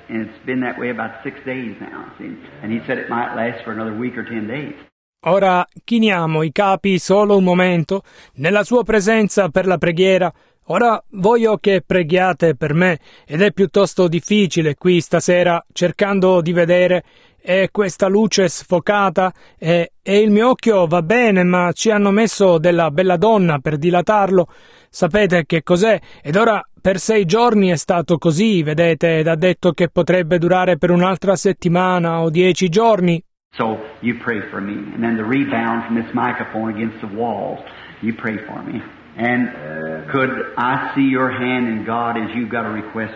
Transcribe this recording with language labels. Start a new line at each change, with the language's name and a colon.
English: And it's been that way about 6 days now. See? And he said it might last for another week or 10 days.
Italian: Ora chiniamo i capi solo un momento nella sua presenza per la preghiera. Ora voglio che preghiate per me, ed è piuttosto difficile qui stasera cercando di vedere, e questa luce sfocata, e il mio occhio va bene, ma ci hanno messo della bella donna per dilatarlo, sapete che cos'è, ed ora per 6 giorni è stato così, vedete, ed ha detto che potrebbe durare per un'altra settimana o 10 giorni.
English: So you pray for me, and then the rebound from this microphone against the wall, you pray for me. And could I see your hand in God as you've got a request?